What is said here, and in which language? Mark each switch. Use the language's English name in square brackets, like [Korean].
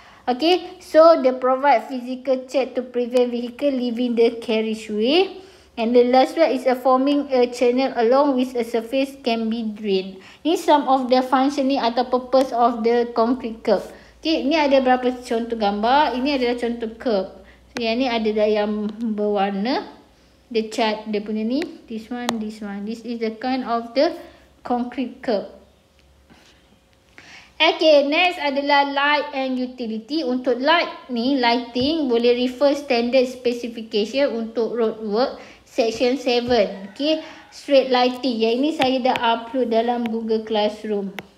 [English] Okay, so they provide physical check to prevent vehicle leaving the carriageway. And the last one is a forming a channel along with a surface can be drained. [Malay] Ini [English] some of the functioning [Malay] atau [English] purpose of the concrete curb. [Malay] Okay, ini ada berapa contoh gambar. Ini adalah contoh curb. So, yang ni ada yang berwarna. [English] The chart [Malay] dia punya ni. [English] This one, this one. This is the kind of the concrete curb. Okay, next [Malay] adalah [English] light and utility. [Malay] Untuk [English] light [Malay] ni, [English] lighting [Malay] boleh [English] refer standard specification [Malay] untuk [English] road work. Section 7. Okay, street lighting. [Malay] Yang ini saya dah [English] upload [Malay] dalam [English] Google Classroom.